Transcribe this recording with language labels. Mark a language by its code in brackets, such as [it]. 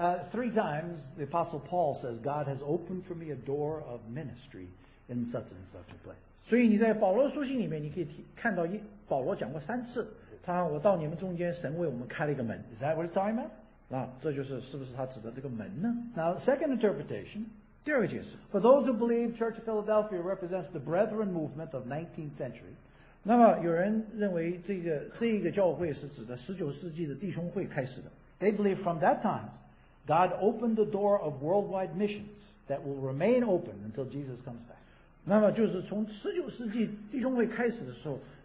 [en] Three times, the Apostle Paul says, God has opened for me a door of ministry in such and such a place. [zh] 所以你在保罗书信里面,你可以看到保罗讲过三次, 他说,我到你们中间,神为我们开了一个门。 [en] Is that what it's talking about? [zh] 那这就是是不是他指的这个门呢? [en] Now, second interpretation, [zh] 第二个解释, [en] for those who believe Church of Philadelphia represents the Brethren movement of 19th century, [zh] 那么有人认为这个教会是指的19世纪的弟兄会开始的, [en] they believe from that time, God opened the door of worldwide missions that will remain open until Jesus comes back. [zh] 那么就是从19世纪弟兄会开始的时候,